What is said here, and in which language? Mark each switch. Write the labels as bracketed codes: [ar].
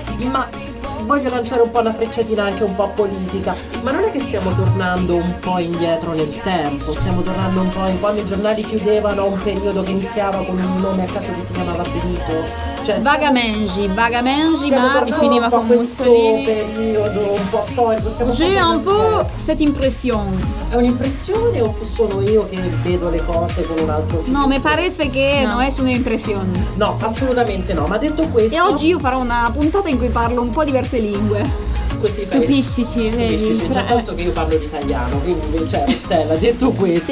[it] Ma voglio lanciare un po' una frecciatina anche un po' politica. Ma non è che stiamo tornando un po' indietro nel tempo? Stiamo tornando un po' in quando i giornali chiudevano un periodo che iniziava con un nome a caso che si chiamava Benito. Cioè, vagamenti, ma finiva con Mussolini. Un periodo un po' storico. [fr] J'ai [it] un po' [fr] cette impression. [it] È un'impressione o sono io che vedo le cose con un altro filtro? No, mi pare che non è su un'impressione. No, assolutamente no. Ma detto questo. E oggi io farò una puntata in cui parlo un po' diverse lingue. Così stupiscici, vedi? Già tanto che io parlo l'italiano, quindi cioè, l'ha detto questo.